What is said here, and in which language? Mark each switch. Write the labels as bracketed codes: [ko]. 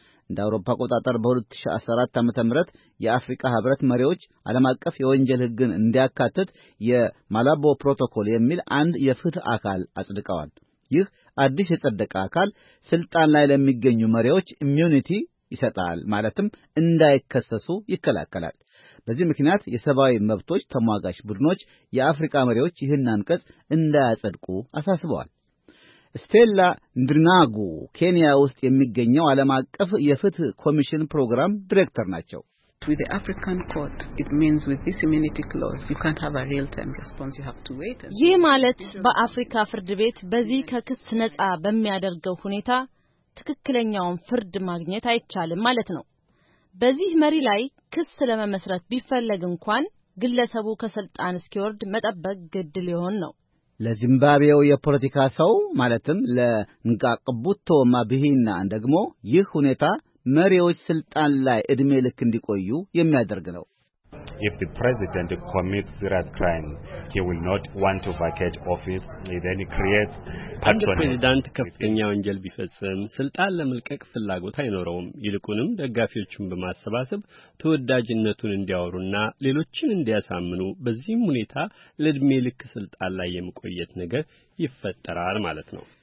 [am] እንደ አውሮፓ አቆጣጠር በ2014 ዓመተ ምህረት የአፍሪካ ህብረት መሪዎች ዓለም አቀፍ የወንጀል ህግን እንዲያካትት የማላቦ ፕሮቶኮል የሚል አንድ የፍትህ አካል አጽድቀዋል። ይህ አዲስ የጸደቀ አካል ስልጣን ላይ ለሚገኙ መሪዎች ኢሚዩኒቲ ይሰጣል፣ ማለትም እንዳይከሰሱ ይከላከላል። በዚህ ምክንያት የሰብአዊ መብቶች ተሟጋች ቡድኖች የአፍሪካ መሪዎች ይህን አንቀጽ እንዳያጸድቁ አሳስበዋል። ስቴላ ንድናጉ ኬንያ ውስጥ የሚገኘው ዓለም አቀፍ የፍትህ ኮሚሽን ፕሮግራም ዲሬክተር ናቸው። [en] with the African court, it means with this immunity clause, you can't have a real-time response. You have to wait. [am] ይህ ማለት በአፍሪካ ፍርድ ቤት በዚህ ከክስ ነጻ በሚያደርገው ሁኔታ ትክክለኛውን ፍርድ ማግኘት አይቻልም ማለት ነው። በዚህ መሪ ላይ ክስ ለመመስረት ቢፈለግ እንኳን ግለሰቡ ከስልጣን እስኪወርድ መጠበቅ ግድ ሊሆን ነው። ለዚምባብዌው የፖለቲካ ሰው ማለትም ለንጋቅቡቶ ማብሂና እንደግሞ ይህ ሁኔታ መሪዎች ስልጣን ላይ እድሜ ልክ እንዲቆዩ የሚያደርግ ነው። [en] If the president commits serious crime, he will not want to vacate office. He then creates patronage. The president [am] ከፍተኛ ወንጀል ቢፈጽም ስልጣን ለመልቀቅ ፍላጎት አይኖረውም። ይልቁንም ደጋፊዎቹን በማሰባሰብ ተወዳጅነቱን እንዲያወሩና ሌሎችን እንዲያሳምኑ በዚህም ሁኔታ ለእድሜ ልክ ስልጣን ላይ የሚቆየት ነገር ይፈጠራል ማለት ነው።